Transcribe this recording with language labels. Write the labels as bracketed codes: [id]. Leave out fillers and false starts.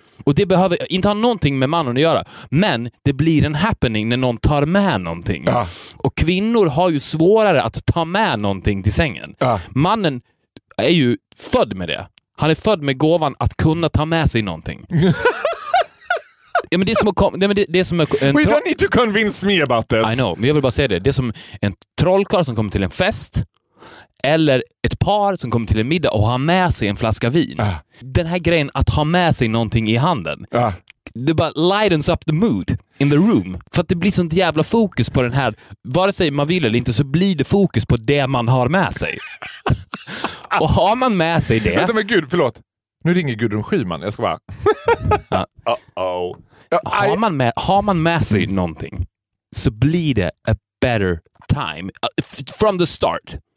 [sv] Och det behöver inte ha någonting med mannen att göra. Men det blir en happening när någon tar med någonting. Och kvinnor har ju svårare att ta med någonting till sängen. Mannen är ju född med det. Han är född med gåvan att kunna ta med sig någonting. Ja, men [en] We don't need to convince me about this. I know, [sv] men jag vill bara säga det. Det är som en trollkarl som kommer till en fest. Eller ett par som kommer till en middag och har med sig en flaska vin. Den här grejen att ha med sig någonting i handen. Det bara [en] lightens up the mood in the room. [sv] För att det blir sånt jävla fokus på den här. Vare sig man vill eller inte så blir det fokus på det man har med sig. Och har man med sig det... Vänta, men gud, förlåt. Nu ringer Gudrun Schyman. Jag ska bara... Uh-oh. Har man med sig någonting så blir det [en] a better time. From the start.